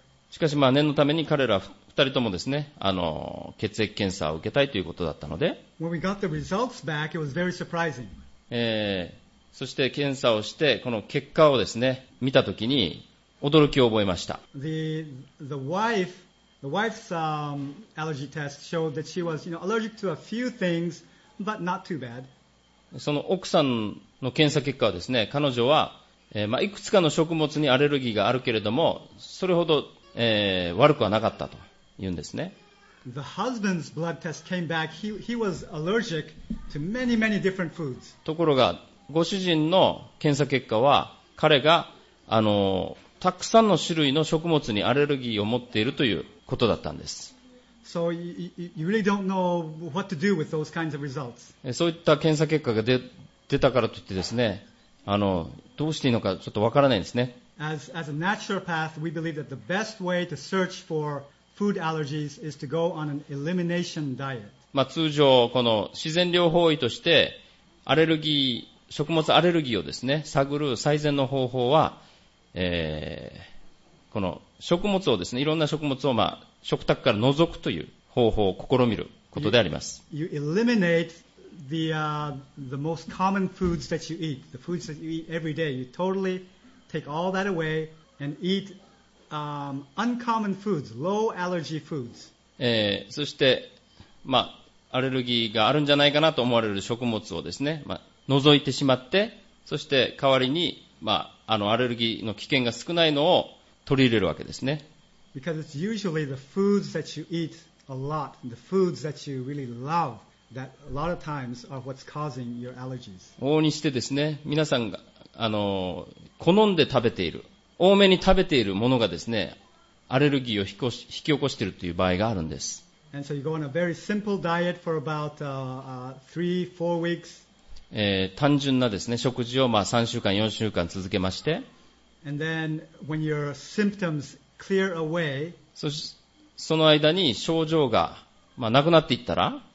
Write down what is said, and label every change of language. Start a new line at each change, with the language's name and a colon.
Japanese: しかし念のために彼ら二人ともですね、血液検査を受けたいということだったので、
English: When we got the results back, it was very surprising.
Japanese: そして検査をして、この結果をですね、見たときに驚きを覚えました。
English: The wife The wife's allergy test showed that she was, you know, allergic to a few things, but not too bad.
Japanese: その奥さんの検査結果はですね、彼女は、まあ、いくつかの食物にアレルギーがあるけれども、それほど、悪くはなかったと言うんですね。
English: The husband's blood test came back. He was allergic to many, many different foods.
Japanese: ところが、ご主人の検査結果は、彼が、たくさんの種類の食物にアレルギーを持っているということだったんです。
English: So you really don't know what to do with those kinds of results.
Japanese: そういった検査結果が出たからといってですね、どうしていいのかちょっとわからないですね。
English: As a naturopath, we believe that the best way to search for food allergies is to go on an elimination diet.
Japanese: まあ通常この自然療法医としてアレルギー食物アレルギーをですね探る最善の方法は、この食物をですねいろんな食物をまあ食卓から除くという方法を試みることであります。
English: You eliminate the most common foods that you eat, the foods that you eat every day. You totally take all that away and eat uncommon foods, low allergy foods.
Japanese: そして、まあ、アレルギーがあるんじゃないかなと思われる食物をですね、まあ、除いてしまって、そして代わりに、まあ、アレルギーの危険が少ないのを取り入れるわけですね。
English: Because it's usually the foods that you eat a lot, the foods that you really love, that a lot of times are what's causing your allergies.
Japanese: 往々にしてですね、皆さんが好んで食べている、多めに食べているものがですね、アレルギーを引き起こしているという場合があるんです。
English: And so you go on a very simple diet for about three, four weeks.
Japanese: 単純なですね、食事をまあ3週間、4週間続けまして。
English: And then when your symptoms clear away,
Japanese: その間に症状が、まあ、なくなっていったら、